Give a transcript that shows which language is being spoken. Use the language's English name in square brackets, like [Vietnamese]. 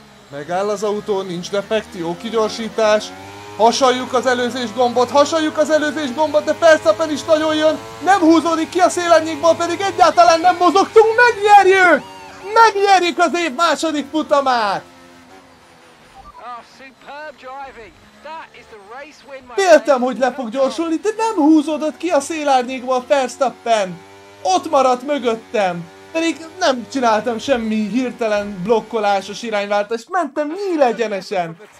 [Hungarian] Megáll az autó, nincs defekt, jó kigyorsítás. Hasaljuk az előzés gombot, hasaljuk az előzés gombot, de Verstappen is nagyon jön. Nem húzódik ki a szélárnyékból, pedig egyáltalán nem mozogtunk. Megnyerjük! Megnyerjük az év második futamát! [English] Oh, superb driving! That is the [Hungarian] Féltem, hogy le fog gyorsulni, de nem húzódott ki a szélárnyékból Verstappen. Ott maradt mögöttem. Pedig nem csináltam semmi hirtelen blokkolásos irányváltást, mentem mil egyenesen.